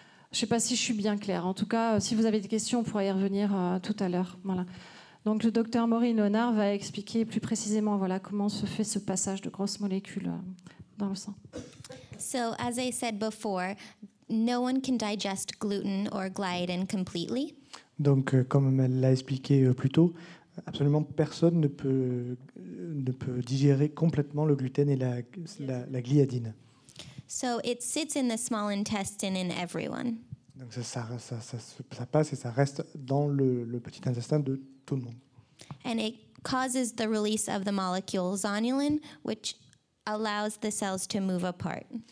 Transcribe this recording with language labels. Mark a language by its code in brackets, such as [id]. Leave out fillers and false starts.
[fr] Je ne sais pas si je suis bien claire. En tout cas, si vous avez des questions, on pourra y revenir tout à l'heure. Voilà. Donc le docteur Maureen Leonard va expliquer plus précisément, voilà, comment se fait ce passage de grosses molécules dans le sang. [en] So as I said before, no one can digest gluten or gliadin completely. [fr] Donc comme elle l'a expliqué plus tôt, absolument personne ne peut ne peut digérer complètement le gluten et la gliadine. [en] So it sits in the small intestine in everyone. [fr] Donc ça passe et ça reste dans le petit intestin de tout le monde. [en] And it causes the release of the molecule zonulin, which allows the cells to move apart.